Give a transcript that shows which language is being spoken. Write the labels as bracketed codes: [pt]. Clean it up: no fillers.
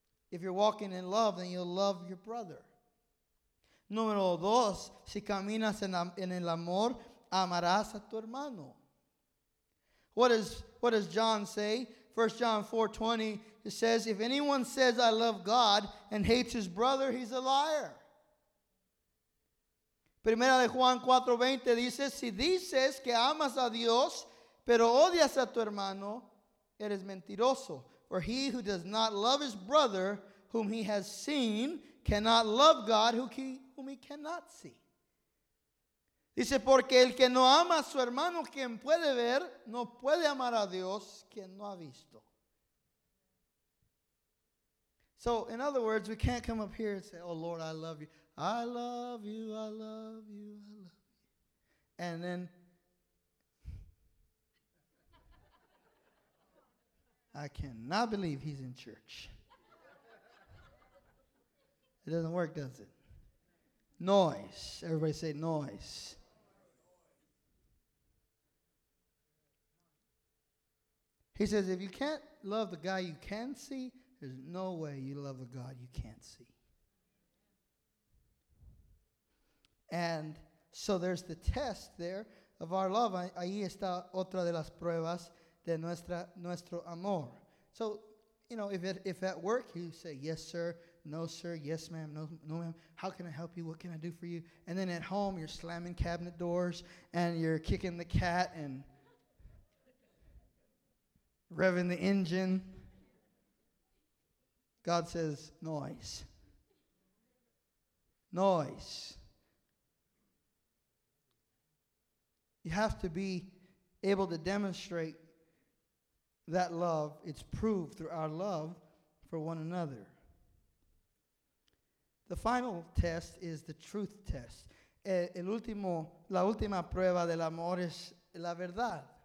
[en] If you're walking in love, then you'll love your brother. [es] Número dos, si caminas en el amor, amarás a tu hermano. [en] What does John say? 1 John 4:20, it says, if anyone says, I love God, and hates his brother, he's a liar. [es] Primera de Juan 4:20 dice, si dices que amas a Dios, pero odias a tu hermano, eres mentiroso. [en] For he who does not love his brother, whom he has seen, cannot love God, whom he cannot see. [es] Dice, porque el que no ama a su hermano, quien puede ver, no puede amar a Dios, quien no ha visto. [en] So, in other words, we can't come up here and say, oh, Lord, I love you. I love you, I love you, I love you. And then, I cannot believe he's in church. It doesn't work, does it? Noise. Everybody say noise. He says, if you can't love the guy you can see, there's no way you love the God you can't see. And so there's the test there of our love. [es] Ahí está otra de las pruebas de nuestro amor. [en] So, you know, if at work you say, yes, sir, no, sir, yes, ma'am, no, ma'am, how can I help you? What can I do for you? And then at home you're slamming cabinet doors and you're kicking the cat and revving the engine. God says, noise. Noise. You have to be able to demonstrate that love. It's proved through our love for one another. The final test is the truth test. [es] El último, la última prueba del amor es la verdad.